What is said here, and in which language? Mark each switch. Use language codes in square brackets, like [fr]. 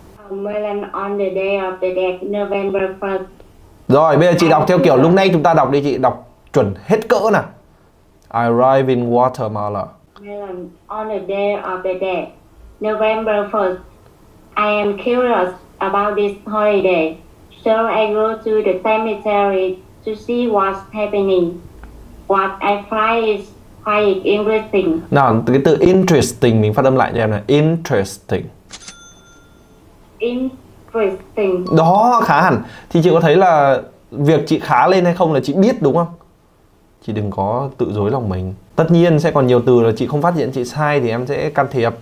[en] Melon on the day of the dead, November 1st. [vi] Rồi, bây giờ chị đọc theo kiểu lúc nãy chúng ta đọc đi chị, đọc chuẩn hết cỡ nào. [en] I arrive in Guatemala. Melon on the day of the dead, November 1st. I am curious about this holiday, so I go to the cemetery to see what's happening. What I find is quite interesting. [vi] Nào, cái từ interesting mình phát âm lại cho em này. [en] Interesting. Interesting. [vi] Đó, khá hẳn. Thì chị có thấy là việc chị khá lên hay không là chị biết đúng không? Chị đừng có tự dối lòng mình. Tất nhiên sẽ còn nhiều từ là chị không phát hiện chị sai thì em sẽ can thiệp.